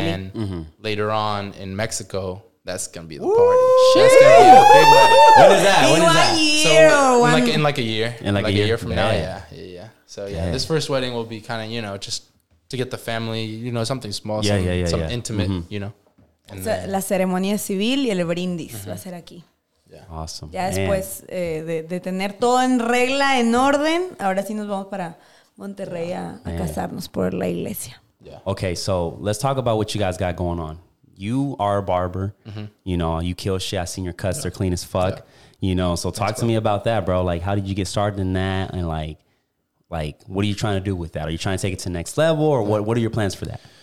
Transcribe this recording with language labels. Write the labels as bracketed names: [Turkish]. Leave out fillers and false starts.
[English] And then later on in Mexico, That's gonna be the party. Ooh, that's gonna be a big one. When is that? In like a year from now. Yeah. So yeah, this first wedding will be kind of, you know, just to get the family, you know, something small, something intimate, mm-hmm. you know. [Spanish] And so then, la ceremonia civil y el brindis mm-hmm. va a ser aquí. [English] Yeah. Awesome. [Spanish] Ya después de tener todo en regla, en orden, ahora sí nos vamos para Monterrey a casarnos por la iglesia. [English] Yeah. Okay, so let's talk about what you guys got going on. You are a barber, mm-hmm. you know, you kill shit. I've seen your cuts, they're clean as fuck, you know, so talk to me about that, bro. Like, how did you get started in that? And like, what are you trying to do with that? Are you trying to take it to the next level or what are your plans for that?